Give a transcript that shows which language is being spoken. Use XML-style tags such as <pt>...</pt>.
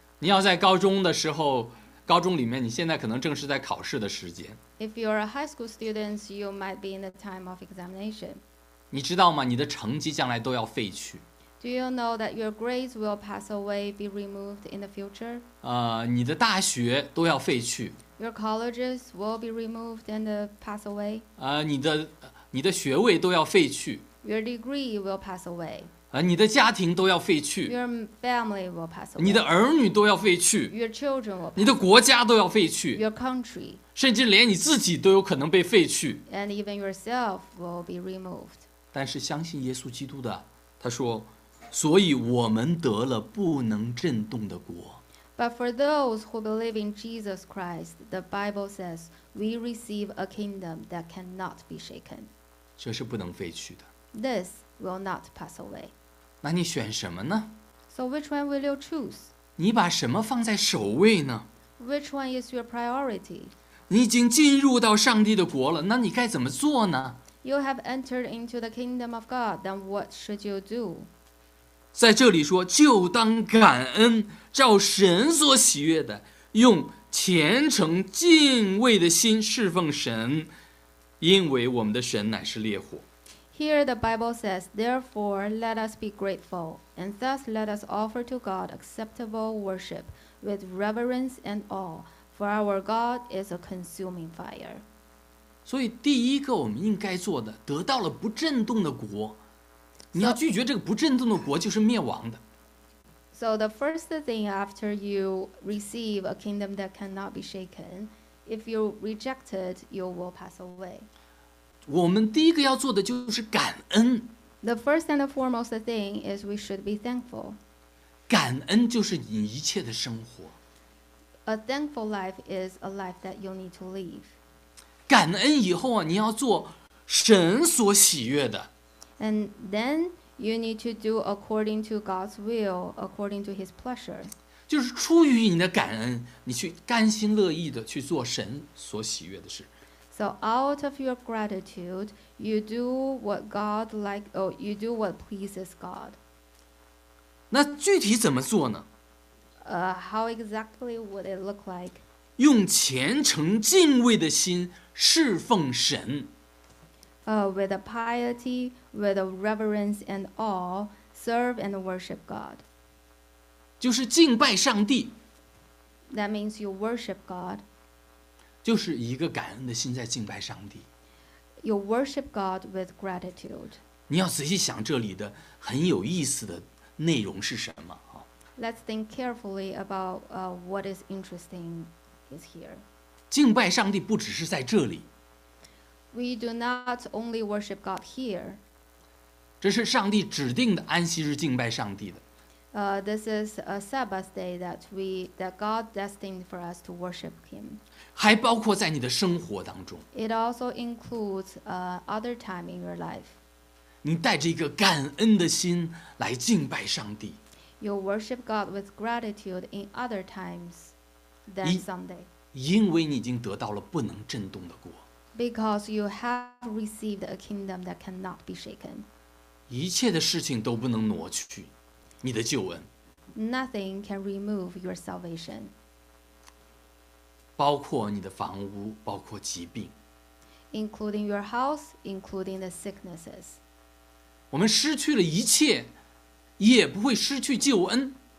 <zh>你要在高中的时候，高中里面你现在可能正是在考试的时间。</zh> <en>If you are a high school student, you might be in the time of examination.</en> <zh>你知道吗？你的成绩将来都要废去。</zh> <en>Do you know that your grades will pass away, be removed in the future?</en> <zh>你的大学都要废去。</zh> <en>Your colleges will be removed and pass away.</en> <zh>你的学位都要废去。</zh> <en>Your degree will pass away.</en> <zh>你的家庭都要废去。</zh> <en>Your family will pass away.</en> <zh>你的儿女都要废去。</zh> <en>Your children will.</en> <zh>你的国家都要废去。</zh> <en>Your country.</en> <zh>甚至连你自己都有可能被废去。</zh> <en>And even yourself will be removed.</en> <zh>但是相信耶稣基督的，他说，所以我们得了不能震动的国。</zh> <en>But for those who believe in Jesus Christ, the Bible says, we receive a kingdom that cannot be shaken.</en> <zh>这是不能废去的。</zh> <en>This will not pass away.</en> <zh>那你选什么呢？</zh> <en>So which one will you choose?</en> <zh>你把什么放在首位呢？</zh> <en>Which one is your priority?</en> <zh>你已经进入到上帝的国了，那你该怎么做呢？</zh> <en>You have entered into the kingdom of God, then what should you do?</en> <zh>在这里说，就当感恩，照神所喜悦的，用虔诚敬畏的心侍奉神，因为我们的神乃是烈火。</zh> <en>Here the Bible says, therefore, let us be grateful, and thus let us offer to God acceptable worship with reverence and awe, for our God is a consuming fire.</en> <zh>所以第一个我们应该做的，得到了不震动的国，你要拒绝这个不震动的国就是灭亡的。</zh> <en>So the first thing after you receive a kingdom that cannot be shaken, if you reject it, you will pass away.</en> <zh>我们第一个要做的就是感恩。</zh> <en>The first and the foremost thing is we should be thankful.</en> <zh>感恩就是你一切的生活。</zh> <en>A thankful life is a life that you need to live.</en> <zh>感恩以后啊，你要做神所喜悦的。</zh> <en>And then you need to do according to God's will, according to His pleasure.</en> <zh>就是出于你的感恩，你去甘心乐意的去做神所喜悦的事。</zh> <en>So out of your gratitude, you do what God like, or you do what pleases God.</en> <zh>那具体怎么做呢？</zh> <en>How exactly would it look like?</en> <zh>用虔诚敬畏的心侍奉神。</zh> <en>With a piety, with a reverence and awe, serve and worship God.</en> <zh>就是敬拜上帝。</zh> <en>That means you worship God.</en> <zh>就是一个感恩的心在敬拜上帝。</zh> <en>You worship God with gratitude.</en> <zh>你要仔细想这里的很有意思的内容是什么。</zh> <en>Let's think carefully about what is interesting is here.</en> <zh>敬拜上帝不只是在这里。</zh> <en>We do not only worship God here.</en> <zh>这是上帝指定的安息日敬拜上帝的。</zh> <en>This is a Sabbath day that God destined for us to worship Him.</en> <zh>还包括在你的生活当中。</zh> <en>It also includes other time in your life.</en> <zh>你带着一个感恩的心来敬拜上帝。</zh> <en>You worship God with gratitude in other times than Sunday.</en> <zh>因为你已经得到了不能震动的国。</zh> <en>Because you have received a kingdom that cannot be shaken.</en> <zh>一切的事情都不能挪去。你的救恩</zh> <en>Nothing can remove your salvation.</en> <zh>包括你的房屋，包括疾病</zh> <en>Including your house, including the sicknesses.</en> <zh>我们失去了一切，也不会失去救恩</zh>